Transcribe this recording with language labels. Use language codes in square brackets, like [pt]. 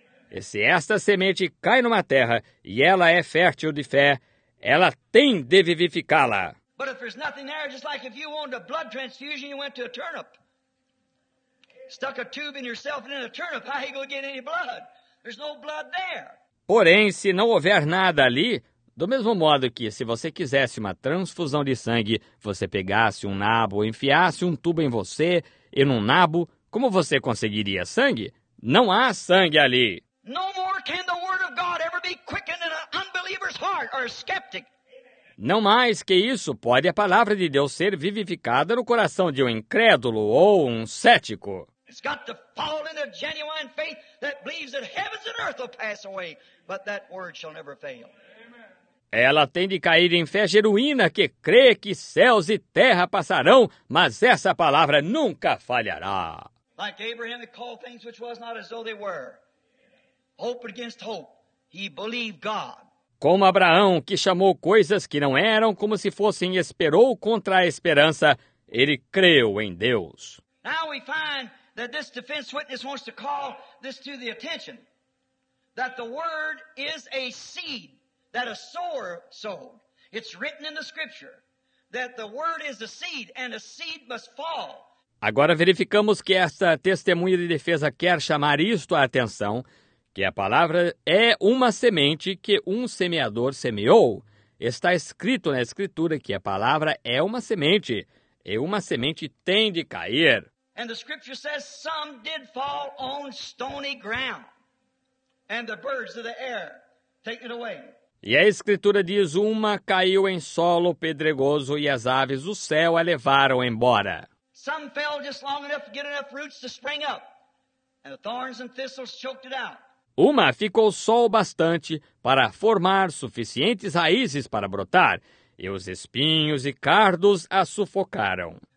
[pt] E se esta semente cai numa terra e ela é fértil de fé, ela tem de vivificá-la. [en] But if there's nothing there, just like if you wanted a blood transfusion, you went to a turnip. Stuck a tube in yourself and in a turnip, how are you going to get any blood? There's no blood there. [pt] Porém, se não houver nada ali, do mesmo modo que se você quisesse uma transfusão de sangue, você pegasse um nabo, enfiasse um tubo em você e num nabo, como você conseguiria sangue? Não há sangue ali. [en] No more can the word of God ever be quickened in an unbeliever's heart or a skeptic. [pt] Não mais que isso pode a palavra de Deus ser vivificada no coração de um incrédulo ou um cético. [en] It's got to fall into genuine faith that believes that heavens and earth will pass away, but that word shall never fail. [pt] Ela tem de cair em fé genuína que crê que céus e terra passarão, mas essa palavra nunca falhará. [en] Like Abraham, he called things which was not as though they were. Hope against hope, he believed God. [pt] Como Abraão, que chamou coisas que não eram como se fossem, esperou contra a esperança, ele creu em Deus. [en] Now we find that this defense witness wants to call this to the attention, that the word is a seed that a sower sowed. It's written in the scripture that the word is a seed and a seed must fall. [pt] Agora verificamos que esta testemunha de defesa quer chamar isto à atenção, que a palavra é uma semente que um semeador semeou. Está escrito na escritura que a palavra é uma semente, e uma semente tem de cair. [en] And the scripture says some did fall on stony ground, and the birds of the air take it away. [pt] E a escritura diz, uma caiu em solo pedregoso e as aves do céu a levaram embora. [en] Some fell just long enough to get enough roots to spring up, and the thorns and thistles choked it out. [pt] Uma ficou só o bastante para formar suficientes raízes para brotar, e os espinhos e cardos a sufocaram.